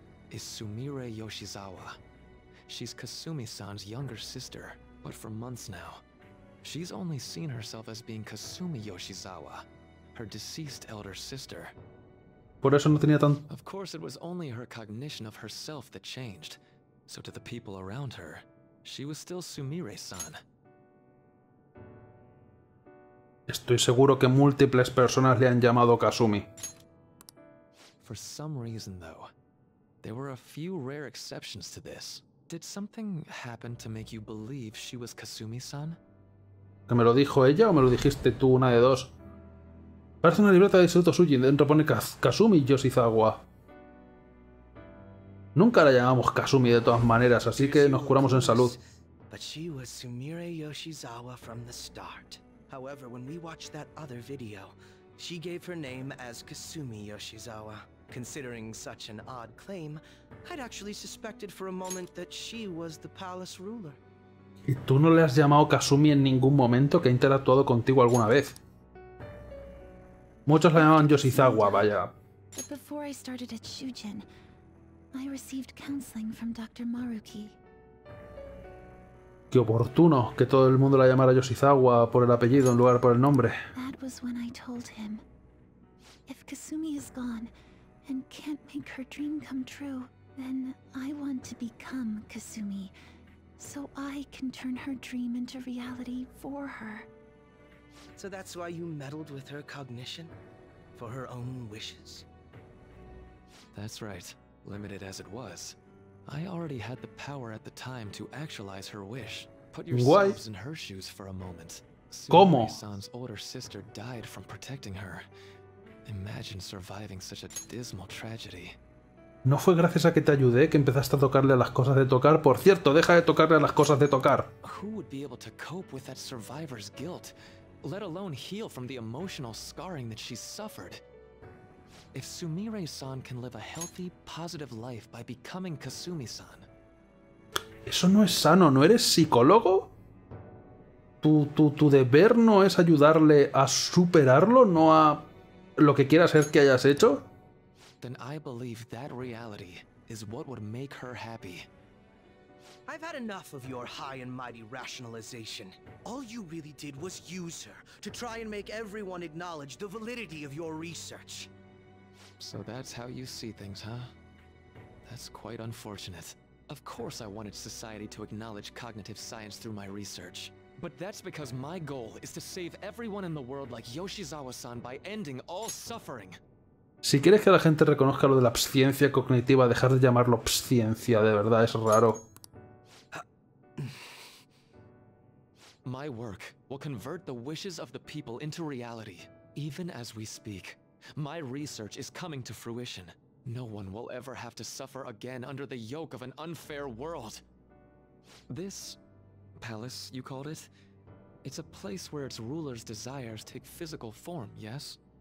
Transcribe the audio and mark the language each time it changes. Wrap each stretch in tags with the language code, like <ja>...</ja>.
<en>is Sumire Yoshizawa. She's Kasumi-san's younger sister, but for months now, she's only seen herself as being Kasumi Yoshizawa, her deceased elder sister.</en> <es>Por eso no tenía</es> <en>Of course, it was only her cognition of herself that changed. So to the people around her, she was still Sumire-san.</en> <es>Estoy seguro que múltiples personas le han llamado Kasumi.</es> <en>For some reason, though, there were a few rare exceptions to this. Did something happen to make you believe she was Kasumi-san?</en> <es>¿Que me lo dijo ella o me lo dijiste tú, una de dos? Parece una libreta de Seto Sujin. Dentro pone Kasumi Yoshizawa. Nunca la llamamos Kasumi de todas maneras, así que nos curamos en salud.</es> <en>But she was Sumire Yoshizawa from the start. However, when we watched that other video, she gave her name as Kasumi Yoshizawa. Considering such an odd claim, I'd actually suspected for a moment that she was the palace ruler.</en> <es>¿Y tú no le has llamado Kasumi en ningún momento que ha interactuado contigo alguna vez? Muchos la llamaban Yoshizawa, vaya.</es> <en>But before I started at Shujin, I received counseling from Dr. Maruki.</en> <es>Qué oportuno que todo el mundo la llamara Yoshizawa por el apellido en lugar por el nombre.</es> <en>That was when I told him. If Kasumi is gone and can't make her dream come true, then I want to become Kasumi, so I can turn her dream into reality for her. So that's why you meddled with her cognition? For her own wishes? That's right. Limited as it was, I already had the power at the time to actualize her wish. Put yourselves in her shoes for a moment. Sumire-san's older sister died from protecting her. Imagine surviving such a dismal tragedy.</en> <es>No fue gracias a que te ayudé que empezaste a tocarle a las cosas de tocar. Por cierto, deja de tocarle a las cosas de tocar.</es> <en>Who would be able to cope with that survivor's guilt, let alone heal from the emotional scarring that she suffered? If Sumire-san can live a healthy, positive life by becoming Kasumi-san.</en> <es>Eso no es sano, ¿no eres psicólogo? Tu deber no es ayudarle a superarlo, no a lo que quieras ser que hayas hecho.</es> <en>Then I believe that reality is what would make her happy. I've had enough of your high and mighty rationalization. All you really did was use her to try and make everyone acknowledge the validity of your research. So that's how you see things, huh? That's quite unfortunate. Of course I wanted society to acknowledge cognitive science through my research. But that's because my goal is to save everyone in the world like Yoshizawa-san by ending all suffering.</en> <es>Si quieres que la gente reconozca lo de la psciencia cognitiva, dejar de llamarlo psciencia, de verdad, es raro.</es> <en>My work will convert the wishes of the people into reality, even as we speak. My research is coming to fruition. No one will ever have to suffer again under the yoke of an unfair world. This palace, you called it? It's a place where its rulers' desires take physical form, yes?</en>